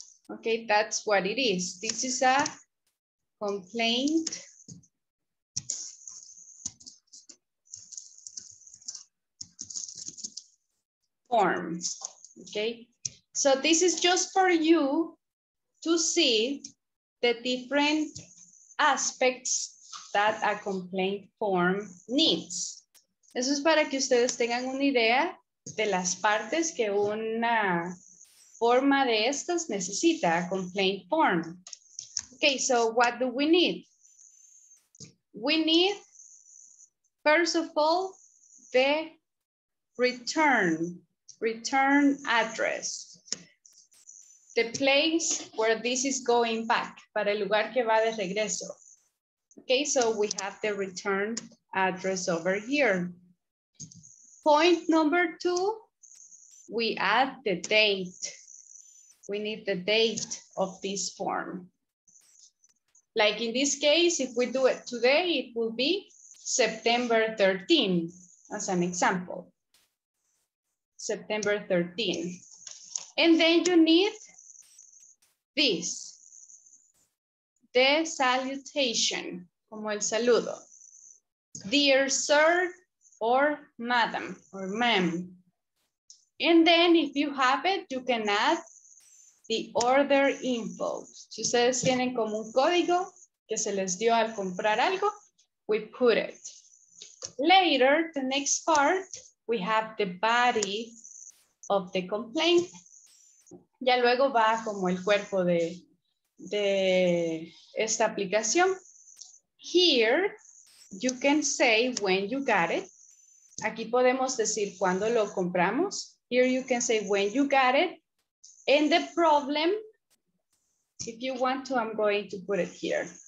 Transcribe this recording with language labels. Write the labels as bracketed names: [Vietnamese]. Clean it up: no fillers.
[English] Okay, that's what it is. This is a complaint form. Okay, so this is just for you to see the different aspects that a complaint form needs. [Spanish] Eso es para que ustedes tengan una idea de las partes que una forma de estas necesita, [English] a complaint form. Okay, so what do we need? We need, first of all, the return address. The place where this is going back, [Spanish] para el lugar que va de regreso. [English] Okay, so we have the return address over here. Point number two, we add the date. We need the date of this form. Like in this case, if we do it today, it will be September 13, as an example. September 13. And then you need this, the salutation, [Spanish] como el saludo. [English] Dear sir or madam or ma'am. And then if you have it, you can add the order info. [Spanish] Si ustedes tienen como un código que se les dio al comprar algo, [English] we put it. Later, the next part, we have the body of the complaint. [Spanish] Ya luego va como el cuerpo de esta aplicación. [English] Here, you can say when you got it. [Spanish] Aquí podemos decir cuando lo compramos. [English] Here you can say when you got it. And the problem, if you want to, I'm going to put it here.